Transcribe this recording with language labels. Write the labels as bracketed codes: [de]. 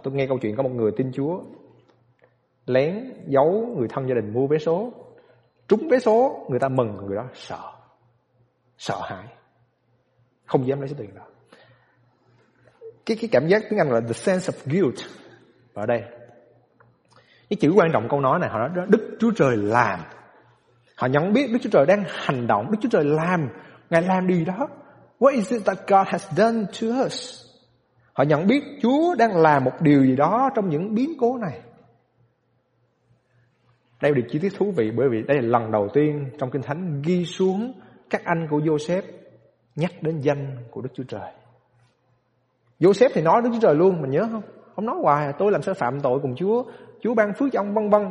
[vi] Tôi nghe câu chuyện có một người tin Chúa lén giấu người thân gia đình mua vé số, trúng vé số, người ta mừng, người đó sợ, sợ hãi, không dám lấy số tiền đó. Cái cảm giác tiếng Anh là [en] the sense of guilt. [vi] Ở đây cái chữ quan trọng câu nói này, họ nói đó, Đức Chúa Trời làm. Họ nhận biết Đức Chúa Trời đang hành động, Đức Chúa Trời làm, Ngài làm điều đó. [en] What is it that God has done to us? [vi] Họ nhận biết Chúa đang làm một điều gì đó trong những biến cố này. Đây là điều chi tiết thú vị, bởi vì đây là lần đầu tiên trong Kinh Thánh ghi xuống các anh của Joseph nhắc đến danh của Đức Chúa Trời. Joseph thì nói Đức Chúa Trời luôn, mình nhớ không? Ông nói hoài, tôi làm sao phạm tội cùng Chúa, Chúa ban phước cho ông vân vân.